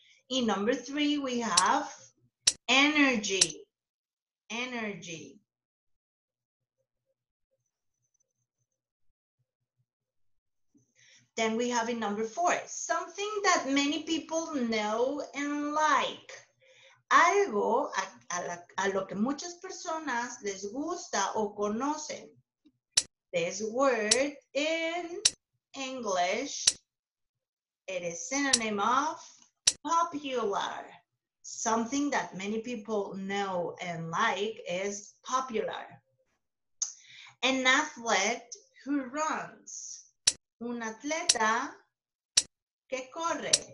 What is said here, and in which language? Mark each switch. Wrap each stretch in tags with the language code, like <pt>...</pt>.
<en>In number three, we have energy. Energy. Then we have in number four, something that many people know and like.</en> <es>Algo a lo que muchas personas les gusta o conocen.</es> <en>This word in English, it is synonym of popular. Something that many people know and like is popular. An athlete who runs.</en> <es>Un atleta que corre.</es>